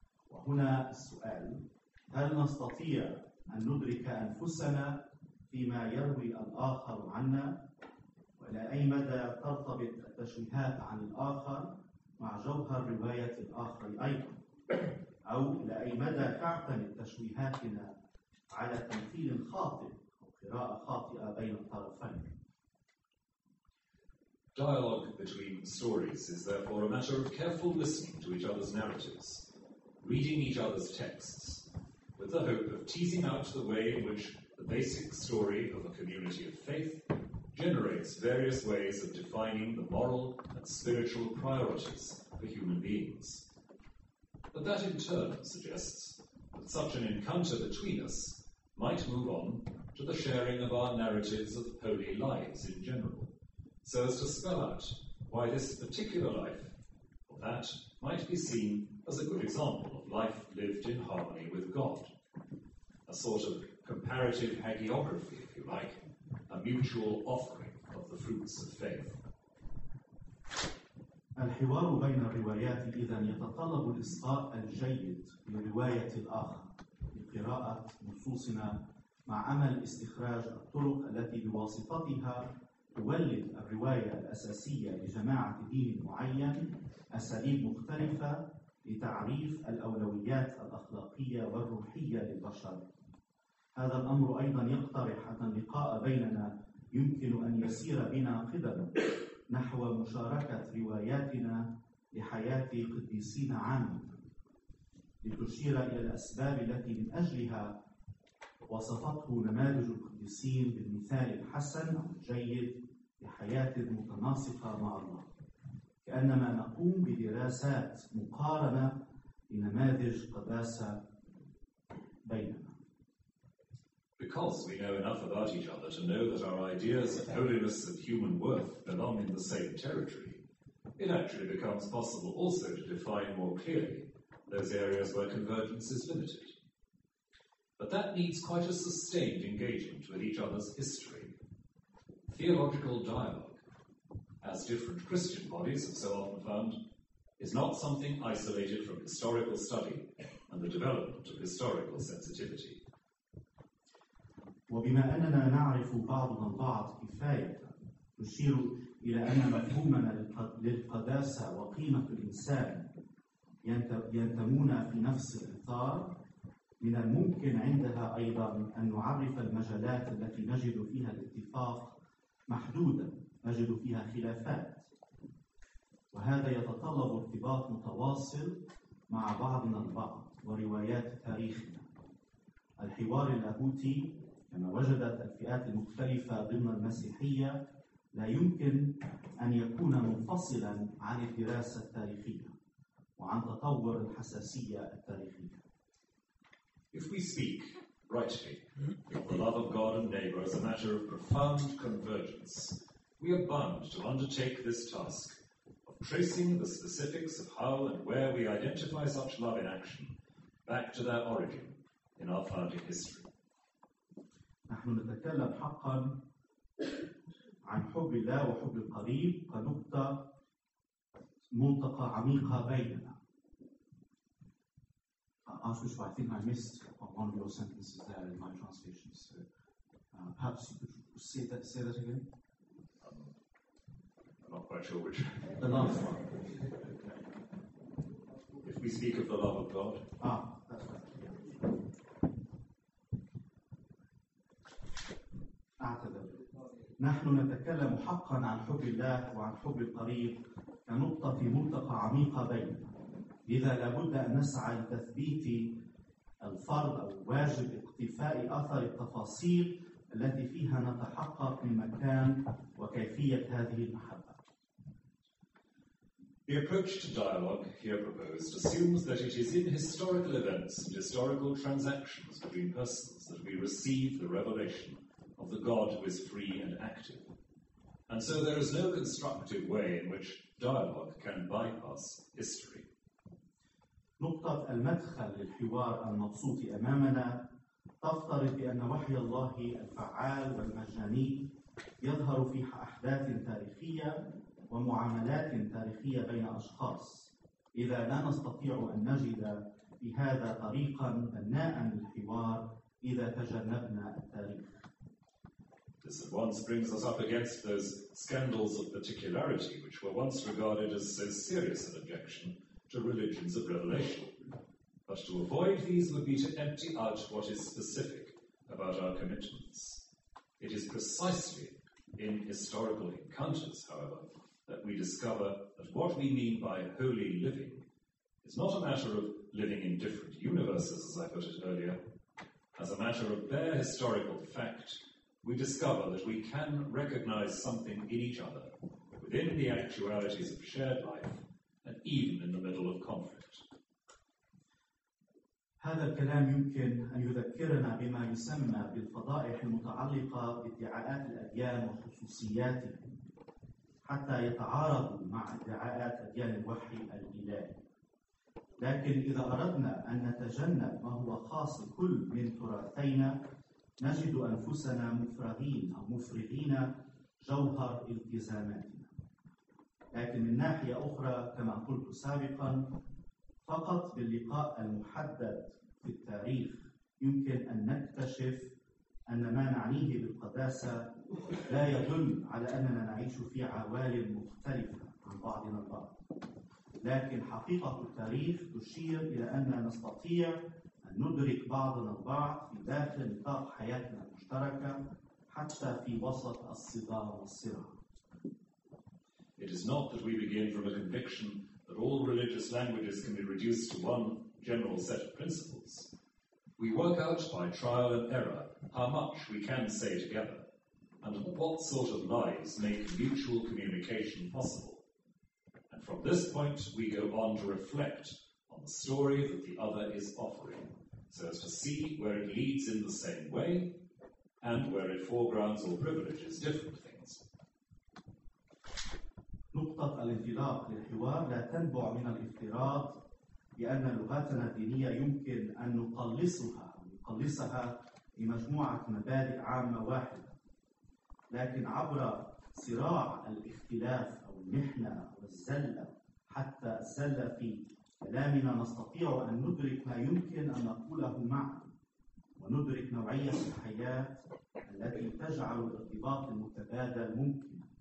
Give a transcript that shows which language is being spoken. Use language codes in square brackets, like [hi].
[ar] وهنا السؤال: هل نستطيع أن ندرك أنفسنا فيما يروي الآخر عنا؟ ولا أي مدى ترتبط التشويهات عن الآخر مع جوهر رواية الآخر أيضا؟ أو إلى أي مدى تعتمد تشويهاتنا على تمثيل خاطئ أو قراءة خاطئة بين الطرفين؟ [en] Dialogue between stories is therefore a matter of careful listening to each other's narratives, reading each other's texts, with the hope of teasing out the way in which the basic story of a community of faith generates various ways of defining the moral and spiritual priorities for human beings. But that in turn suggests that such an encounter between us might move on to the sharing of our narratives of holy lives in general, so as to spell out why this particular life or that might be seen as a good example of life lived in harmony with God, a sort of comparative hagiography, if you like, a mutual offering of the fruits of faith. [ar] الحوار بين الروايات إذن يتطلب الإصغاء الجيد لرواية الآخر لقراءة نصوصنا مع أمل استخراج الطرق التي بواسطتها تولد الرواية الأساسية لجماعة دين معين أساليب مختلفة لتعريف الأولويات الأخلاقية والروحية للبشر. هذا الأمر أيضا يقترح أن اللقاء بيننا يمكن أن يسير بنا قدما نحو مشاركة رواياتنا لحياة قديسين عامة لتشير إلى الأسباب التي من أجلها وصفته نماذج القديسين بالمثال الحسن الجيد لحياة متناسقة مع الله، كأنما نقوم بدراسات مقارنة لنماذج قداسة بيننا. [en] Because we know enough about each other to know that our ideas of holiness and human worth belong in the same territory, it actually becomes possible also to define more clearly those areas where convergence is limited. But that needs quite a sustained engagement with each other's history. Theological dialogue, as different Christian bodies have so often found, is not something isolated from historical study and the development of historical sensitivity. [ar] وبما أننا نعرف بعضنا البعض كفاية تشير إلى أن مفهومنا للقداسة وقيمة الإنسان ينتمون في نفس الإطار، من الممكن عندها أيضا أن نعرف المجالات التي نجد فيها الاتفاق محدودا نجد فيها خلافات، وهذا يتطلب ارتباط متواصل مع بعضنا البعض وروايات تاريخنا. الحوار اللاهوتي كما وجدت الفئات المختلفة ضمن المسيحية لا يمكن أن يكون منفصلا عن الدراسة التاريخية وعن تطور الحساسية التاريخية. [en] If we speak rightly of the love of God and neighbor as a matter of profound convergence, we are bound to undertake this task of tracing the specifics of how and where we identify such love in action back to their origin in our founding history. [ar] نحن نتكلم حقا عن حب الله وحب القريب كنقطة منطقة عميقة بيننا. [en] I think I missed one of your sentences there in my translation. So perhaps you could say that again. I'm not quite sure which. The last one. If we speak of the love of God. Ah, that's right. [ar] أعتذر. نحن نتكلم حقا عن حب الله وعن حب القريب كنقطة منطقة عميقة بيننا، لذا لابد أن نسعى لتثبيت الفرض أو واجب اقتفاء أثر التفاصيل التي فيها نتحقق من مكان وكيفية هذه المحبة. [en] The approach to dialogue here proposed assumes that it is in historical events and historical transactions between persons that we receive the revelation of the God who is free and active. And so there is no constructive way in which dialogue can bypass history. [ar] نقطة المدخل للحوار المبسوط أمامنا تفترض بأن وحي الله الفعال والمجاني يظهر في أحداث تاريخية ومعاملات تاريخية بين أشخاص. إذا لا نستطيع أن نجد بهذا طريقا بناء للحوار إذا تجنبنا التاريخ. [en] This at once brings us up against those scandals of particularity which were once regarded as so serious an objection to religions of revelation. But to avoid these would be to empty out what is specific about our commitments. It is precisely in historical encounters, however, that we discover that what we mean by holy living is not a matter of living in different universes, as I put it earlier. As a matter of bare historical fact, we discover that we can recognize something in each other within the actualities of shared life and even in the middle of conflict. [ar] هذا الكلام يمكن أن يذكرنا بما يسمى بالفضائح المتعلقة بادعاءات الأديان وخصوصياتها حتى يتعارض مع ادعاءات أديان الوحي الإلهي. لكن إذا أردنا أن نتجنب ما هو خاص كل من تراثينا نجد أنفسنا مفرغين أو مفرغين جوهر التزاماتنا. لكن من ناحية أخرى كما قلت سابقا فقط باللقاء المحدد في التاريخ يمكن أن نكتشف أن ما نعنيه بالقداسة لا يدل على أننا نعيش في عوالم مختلفة عن بعضنا البعض. لكن حقيقة التاريخ تشير إلى أننا نستطيع أن ندرك بعضنا البعض في داخل نطاق حياتنا المشتركة حتى في وسط الصدام والصراع. [en] It is not that we begin from a conviction that all religious languages can be reduced to one general set of principles. We work out by trial and error how much we can say together and what sort of lives make mutual communication possible. From this point, we go on to reflect on the story that the other is offering, so as to see where it leads in the same way, and where it foregrounds or privileges different things. [ar] نقطة الانطلاق للحوار لا تنبع من الافتراض بأن لغاتنا الدينية يمكن أن نقلصها لمجموعة مبادئ عامة واحدة. لكن عبر صراع الاختلاف المحنة والزلة حتى الزلة في كلامنا نستطيع أن ندرك ما يمكن أن نقوله معا وندرك نوعية الحياة التي تجعل الارتباط المتبادل ممكن.